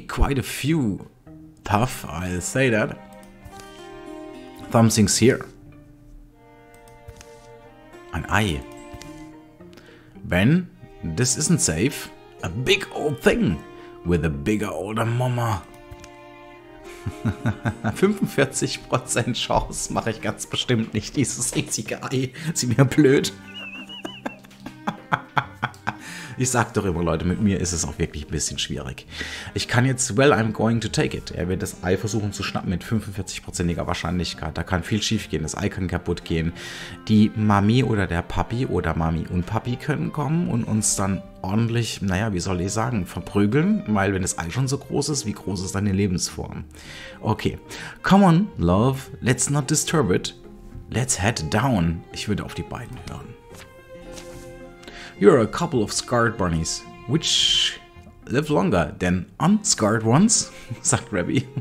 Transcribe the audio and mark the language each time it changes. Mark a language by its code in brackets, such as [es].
[en] Quite a few. Tough, I'll say that. Something's here. An eye. Ben, this isn't safe. A big old thing with a bigger older mama. [de] 45% Chance mache ich ganz bestimmt nicht, dieses riesige Ei. Sie mir blöd. Ich sag doch immer, Leute, mit mir ist es auch wirklich ein bisschen schwierig. Ich kann jetzt, [en] well, I'm going to take it. [de] Er wird das Ei versuchen zu schnappen mit 45%iger Wahrscheinlichkeit. Da kann viel schief gehen, das Ei kann kaputt gehen. Die Mami oder der Papi oder Mami und Papi können kommen und uns dann ordentlich, naja, wie soll ich sagen, verprügeln. Weil wenn das Ei schon so groß ist, wie groß ist deine Lebensform? [en] Okay, come on, love, let's not disturb it. Let's head down. [de] Ich würde auf die beiden hören. [en] You're a couple of scarred bunnies, which live longer than unscarred ones, sagt Rabbi.